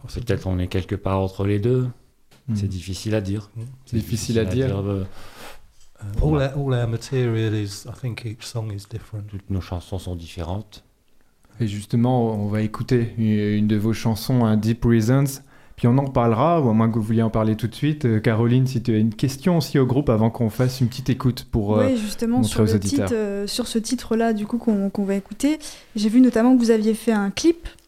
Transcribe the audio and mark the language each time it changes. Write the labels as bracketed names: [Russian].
[French] Peut-être on est quelque part entre les deux. Mm. C'est difficile à dire. Mm. C'est difficile à dire. [English] All our material is, I think each song is different. [French] Toutes nos chansons sont différentes. Et justement, on va écouter une de vos chansons, hein, Deep Reasons. Puis on en parlera, ou à moins que vous vouliez en parler tout de suite. Caroline, si tu as une question aussi au groupe avant qu'on fasse une petite écoute pour oui, justement, montrer sur aux le auditeurs. Titre, sur ce titre-là, du coup, qu'on va écouter, j'ai vu notamment que vous aviez fait un clip.